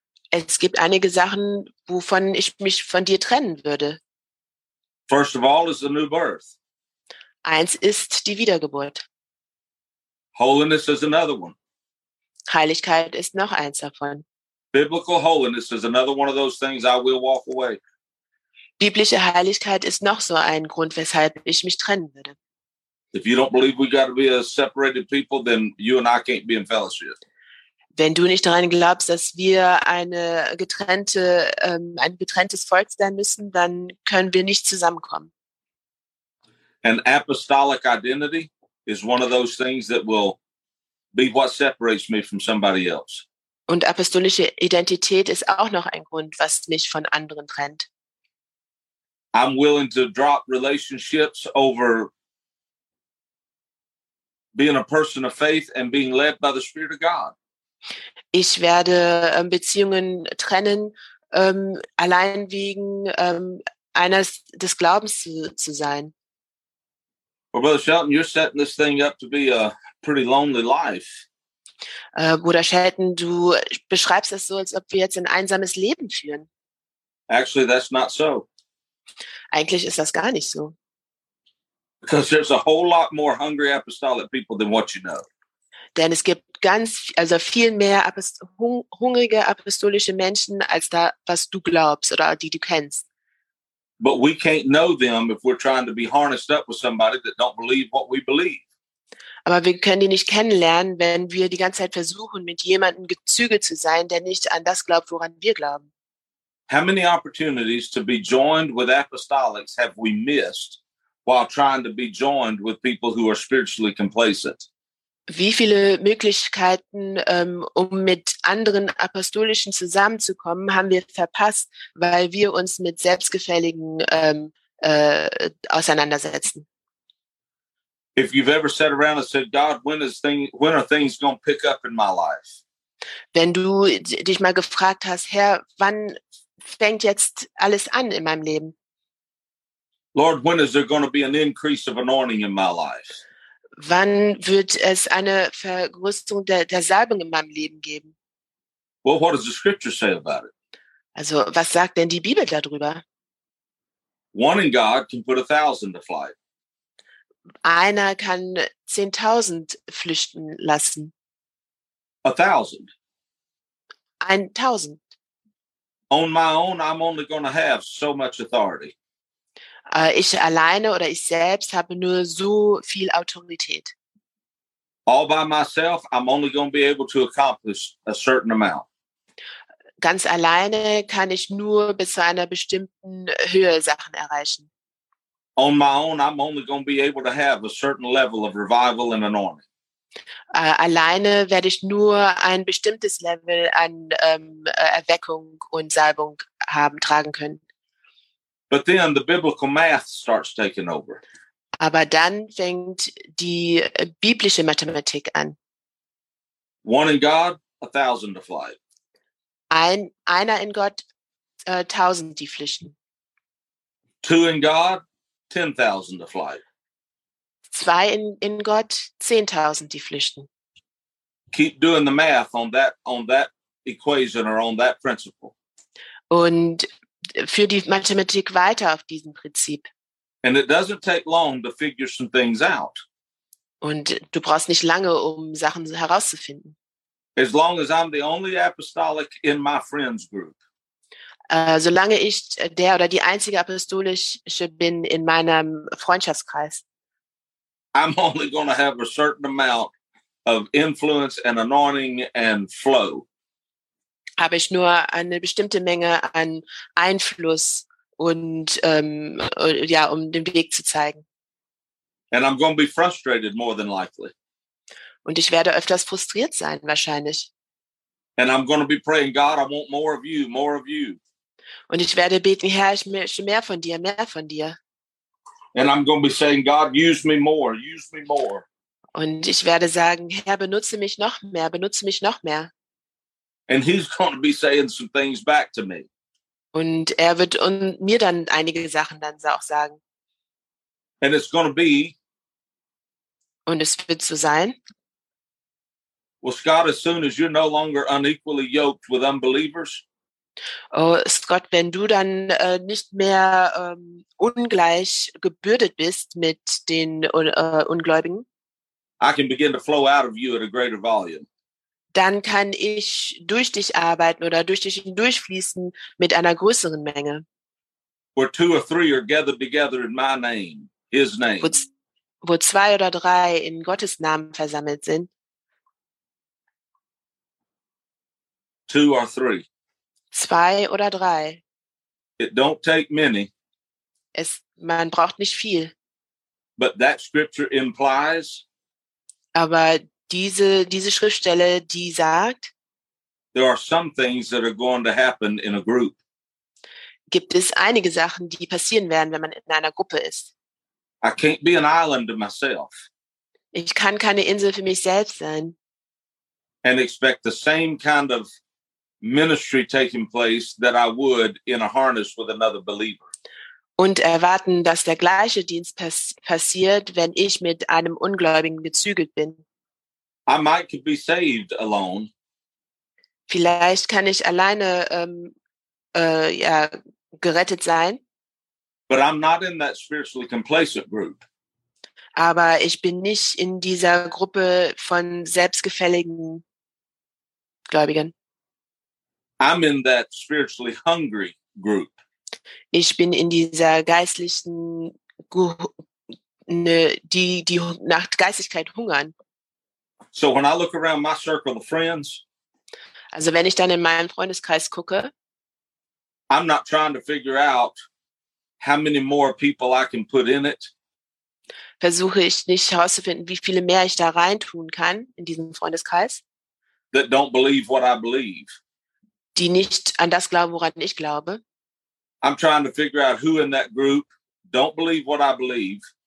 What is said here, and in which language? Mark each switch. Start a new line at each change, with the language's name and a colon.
German: Es gibt einige Sachen, wovon ich mich von dir trennen würde.
English: First of all is the new birth.
German: Eins ist die Wiedergeburt.
English: Holiness is another one.
German: Heiligkeit ist noch eins davon.
English: Biblical holiness is another one of those things I will walk away.
German: Biblische Heiligkeit ist noch so ein Grund, weshalb ich mich trennen würde.
English: If you don't believe we got to be a separated people, then you and I can't be in fellowship.
German: Wenn du nicht daran glaubst, dass wir ein getrenntes Volk sein müssen, dann können wir nicht zusammenkommen.
English: An apostolic identity is one of those things that will be what separates me from somebody else.
German: Und apostolische Identität ist auch noch ein Grund, was mich von anderen trennt.
English: I'm willing to drop relationships over being a person of faith and being led by the Spirit of God.
German: Ich werde Beziehungen trennen, allein wegen eines des Glaubens zu sein.
English: Well, Brother Shelton, you're setting this thing up to be a pretty lonely life.
German: Bruder Shelton, du beschreibst es so, als ob wir jetzt ein einsames Leben führen.
English: Actually, that's not so.
German: Eigentlich ist das gar nicht so.
English: Because there's a whole lot more hungry apostolic people than what you know.
German: Denn es gibt viel mehr hungrige apostolische Menschen als da, was du glaubst oder die du kennst.
English: But we can't know them if we're trying to be harnessed up with somebody that don't believe what we believe.
German: Aber wir können die nicht kennenlernen, wenn wir die ganze Zeit versuchen, mit jemandem gezügelt zu sein, der nicht an das glaubt, woran wir glauben.
English: How many opportunities to be joined with apostolics have we missed while trying to be joined with people who are spiritually complacent?
German: Wie viele Möglichkeiten, um mit anderen Apostolischen zusammenzukommen, haben wir verpasst, weil wir uns mit Selbstgefälligen auseinandersetzen?
English: If you've ever sat around and said, God, when are things going to pick up in my life?
German: Wenn du dich mal gefragt hast, Herr, wann fängt jetzt alles an in meinem Leben?
English: Lord, when is there going to be an increase of anointing in my life?
German: Wann wird es eine Vergrößerung der Salbung in meinem Leben geben?
English: Well, what does the scripture say about it?
German: Also, was sagt denn die Bibel darüber?
English: One in God can put 1,000 to flight.
German: Einer kann 10,000 flüchten lassen.
English: 1,000.
German: 1,000.
English: On my own, I'm only going to have so much authority.
German: Ich alleine oder ich selbst habe nur so viel Autorität.
English: All by myself, I'm only going to be able to accomplish a certain amount.
German: Ganz alleine kann ich nur bis zu einer bestimmten Höhe Sachen erreichen.
English: On my own, I'm only going to be able to have a certain level of revival and anointing.
German: Alleine werde ich nur ein bestimmtes Level an Erweckung und Salbung tragen können.
English: But then the biblical math starts taking over.
German: Aber dann fängt die biblische Mathematik an.
English: One in God, 1,000 to fly.
German: Einer in Gott, 1,000 die flüchten.
English: Two in God, 10,000 to fly.
German: Zwei in Gott, 10,000 die flüchten.
English: Keep doing the math on that equation or on that principle.
German: Und für die Mathematik weiter auf diesem Prinzip.
English: And it doesn't take long to figure some things out.
German: Und du brauchst nicht lange, um Sachen herauszufinden.
English: As long as I'm the only apostolic in my friends group.
German: Solange ich der oder die einzige Apostolische bin in meinem Freundschaftskreis.
English: I'm only going to have a certain amount of influence and anointing and flow.
German: Habe ich nur eine bestimmte Menge an Einfluss und um den Weg zu zeigen.
English: And I'm going to be frustrated more than likely.
German: Und ich werde öfters frustriert sein, wahrscheinlich.
English: And I'm going to be praying, God, I want more of you, more of you.
German: Und ich werde beten, Herr, ich möchte mehr von dir, mehr von dir.
English: And I'm going to be saying, God, use me more, use me more.
German: Und ich werde sagen, Herr, benutze mich noch mehr, benutze mich noch mehr.
English: And he's going to be saying some things back to me.
German: Und er wird mir dann einige Sachen dann auch sagen.
English: And it's going to be.
German: Und es wird so sein.
English: Well, Scott, as soon as you're no longer unequally yoked with unbelievers.
German: Oh, Scott, wenn du dann nicht mehr ungleich gebürdet bist mit den Ungläubigen.
English: I can begin to flow out of you at a greater volume.
German: Dann kann ich durch dich arbeiten oder durch dich hindurchfließen mit einer größeren Menge.
English: Where two or three are gathered together in my name, his name.
German: Wo zwei oder drei in Gottes Namen versammelt sind.
English: Two or three.
German: Zwei oder drei.
English: It don't take many.
German: Man braucht nicht viel.
English: But that scripture implies.
German: Aber diese Schriftstelle, die sagt.
English: There are some things that are going to happen in a group.
German: Gibt es einige Sachen, die passieren werden, wenn man in einer Gruppe ist.
English: I can't be an island to myself.
German: Ich kann keine Insel für mich selbst sein.
English: And expect the same kind of ministry taking place that I would in a harness with another believer.
German: Und erwarten, dass der gleiche Dienst passiert, wenn ich mit einem Ungläubigen gezügelt bin.
English: I might could be saved alone.
German: Vielleicht kann ich alleine gerettet sein.
English: But I'm not in that spiritually complacent group.
German: Aber ich bin nicht in dieser Gruppe von selbstgefälligen Gläubigen.
English: I'm in that spiritually hungry group.
German: Ich bin in dieser geistlichen die nach Geistlichkeit hungern.
English: So when I look around my circle of friends,
German: also wenn ich dann in meinen Freundeskreis gucke,
English: I'm not trying to figure out how many more people I can put in it.
German: Versuche ich nicht herauszufinden, wie viele mehr ich da reintun kann in diesen Freundeskreis.
English: That don't believe what I believe.
German: Die nicht an das glauben, woran ich glaube.
English: I'm trying to figure out who in that group don't believe what I believe.